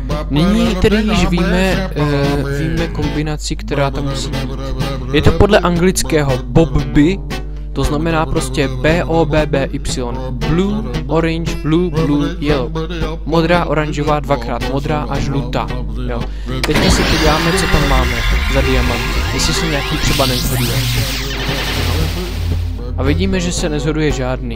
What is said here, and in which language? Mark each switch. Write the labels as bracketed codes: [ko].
[cs] Nyní tedy již víme kombinaci, která tam musí být. Je to podle anglického Bobby, to znamená prostě B-O-B-B-Y. [en] Blue, orange, blue, blue, yellow. [cs] Modrá, oranžová, dvakrát modrá a žlutá. Jo. Teďka si podíváme, co tam máme za diamanty. Jestli se nějaký třeba nezhoduje. A vidíme, že se nezhoduje žádný.